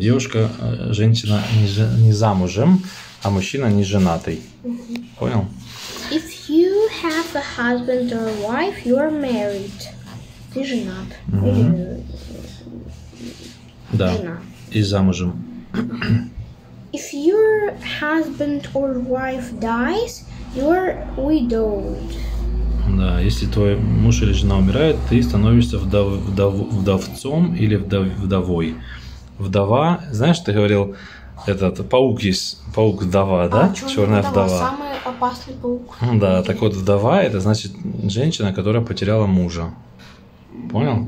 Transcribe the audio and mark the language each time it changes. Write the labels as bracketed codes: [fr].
[ru] Девушка, женщина не замужем, а мужчина не женатый. Угу. Понял? [en] If you have a husband or a wife, you're married. [ru] Ты женат. Угу. Или... Да. Жена. И замужем. [en] If your husband or wife dies, you're widowed. [ru] Да, если твой муж или жена умирает, ты становишься вдовцом или вдовой. Вдова, знаешь, ты говорил, этот паук есть, паук-вдова, а, да? Черная вдова. Самый опасный паук. Да, так вот, вдова – это значит женщина, которая потеряла мужа. Понял?